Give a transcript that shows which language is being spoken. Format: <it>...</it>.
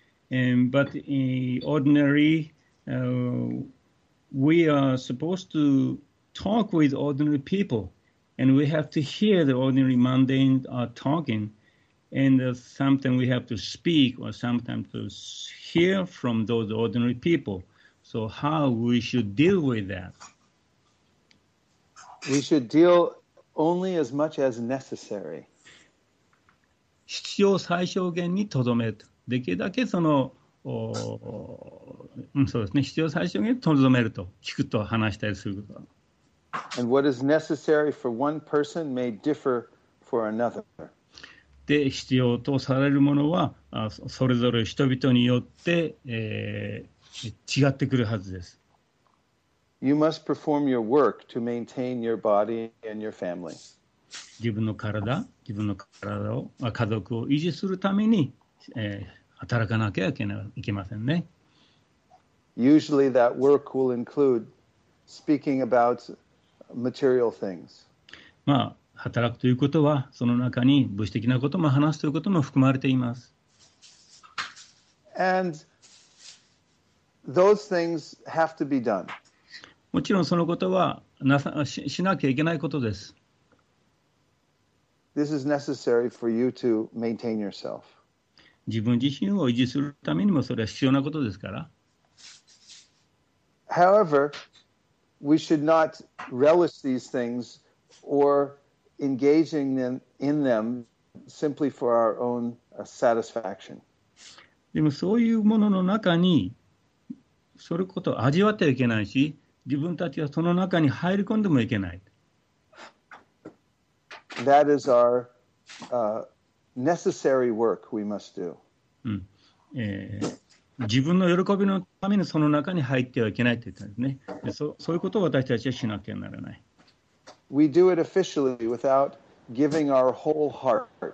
<en>But in ordinary, we are supposed to talk with ordinary people, and we have to hear the ordinary mundane are talking, and sometimes we have to speak or sometimes to hear from those ordinary people. So how we should deal with that? We should deal only as much as necessary.</en> <ja>必要最小限にとどめる。できるだけその、そうですね、必要最小限にとどめると、聞くと話したりすること。</ja> <en>And what is necessary for one person may differ for another.</en> <ja>って必要とされるものはそれぞれ人々によって、違ってくるはずです。</ja> <en>You must perform your work to maintain your body and your family.</en> <ja>自分の体を、家族を維持するために、働かなきゃいけませんね。</ja> <en>Usually that work will include speaking about material things.</en> <ja>まあ、働くということは、その中に物質的なことも話すということも含まれています。</ja> <en>And those things have to be done.</en> <ja>もちろんそのことはしなきゃいけないことです。</ja> <en>This is necessary for you to maintain yourself.</en> <ja>自分自身を維持するためにもそれは必要なことですから。</ja> <en>However, we should not relish these things or engaging in them simply for our own satisfaction.</en> <ja>でもそういうものの中にそれことを味わってはいけないし、自分たちはその中に入り込んでもいけない。</ja> <en>That is our necessary work we must do.</en> <ja>自分の喜びのためにその中に入ってはいけないって言ったんですね。そういうことを私たちはしなきゃならない。</ja> <en>We do it officially without giving our whole heart.</en>